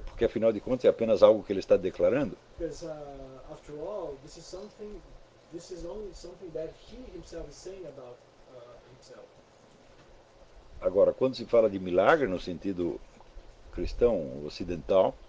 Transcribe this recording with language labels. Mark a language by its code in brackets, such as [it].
[pt] Porque afinal de contas é apenas algo que ele está declarando. [en] Because after all, this is only something that he himself is saying about himself. [pt] Agora, quando se fala de milagre no sentido cristão ocidental,